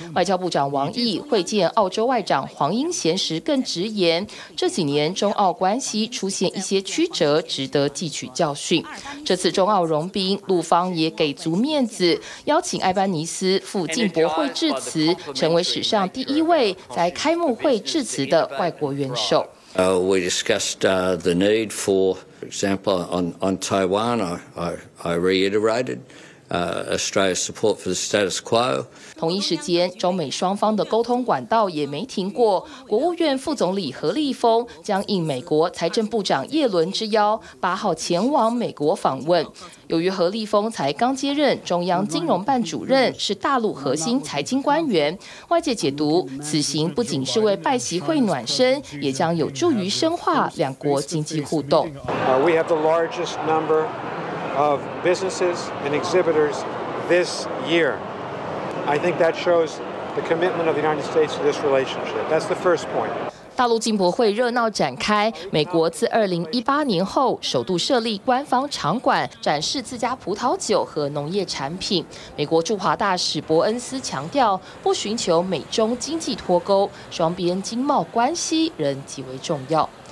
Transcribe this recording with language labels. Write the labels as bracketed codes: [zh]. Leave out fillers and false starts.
[zh] 外交部长王毅会见澳洲外长黄英贤时更直言，这几年中澳关系出现一些曲折，值得汲取教训。这次中澳融冰，陆方也给足面子，邀请艾班尼斯赴进博会致辞，成为史上第一位在开幕会致辞的外国元首。 [en] We discussed the need for example on Taiwan. I reiterated Australia's support for the status quo. [zh] 同一时间，中美双方的沟通管道也没停过。国务院副总理何立峰将应美国财政部长耶伦之邀，8号前往美国访问。由于何立峰才刚接任中央金融办主任，是大陆核心财经官员，外界解读此行不仅是为拜习会暖身，也将有助于深化两国经济互动。 [en] We have the largest number of businesses and exhibitors this year. I think that shows the commitment of the United States to this relationship. That's the first point. [zh] 大陆进博会热闹展开，美国自2018年后首度设立官方场馆，展示自家葡萄酒和农业产品。美国驻华大使伯恩斯强调，不寻求美中经济脱钩，双边经贸关系仍极为重要。